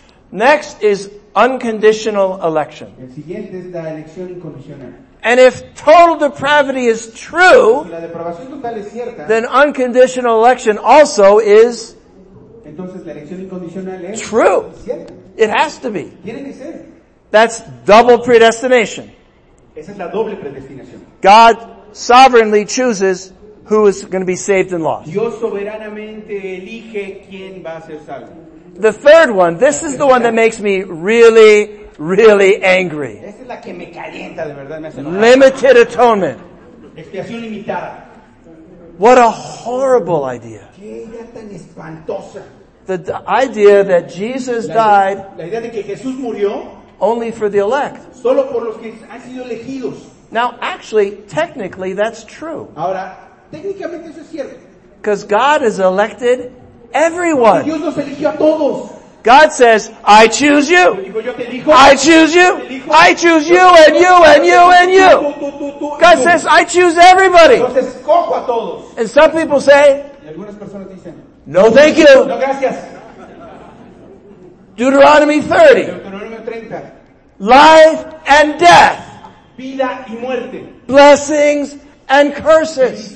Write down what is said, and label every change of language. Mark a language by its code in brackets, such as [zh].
[en] Next is unconditional election. [es] El siguiente es la elección incondicional. [en] And if total depravity is true, [es] si la depravación total es cierta, [en] then unconditional election also is [es] entonces, la elección incondicional es [en] true. [es] Cierta. [en] It has to be. [es] Tiene que ser. [en] That's double predestination. [es] Esa es la doble predestinación. [en] God sovereignly chooses who is going to be saved and lost. [es] Dios soberanamente elige quién va a ser salvo. [en] The third one, this is the one that makes me really, really angry. [es] Esa es la que me calienta, de verdad, me hace enojar. [en] Limited atonement. [es] Expiación limitada. [en] What a horrible idea. [es] Qué idea tan espantosa. [en] The idea that Jesus died. [es] La idea de que Jesús murió. [en] Only for the elect. [es] Solo por los que han sido elegidos. [en] Now, actually, technically, that's true. [es] Ahora, técnicamente eso es cierto. [en] Because God has elected everyone. [es] Dios los eligió a todos. [en] God says, I choose you. [es] Yo digo, yo te elijo. [en] I choose you. [es] Te elijo. [en] I choose you and you and you and you. God says, I choose everybody. [es] Entonces, escojo a todos. [en] And some people say, [es] y algunas personas dicen, [en] no, thank you. [es] No, gracias. [en] Deuteronomy 30. Life and death. [es] Vida y muerte. [en] Blessings and curses.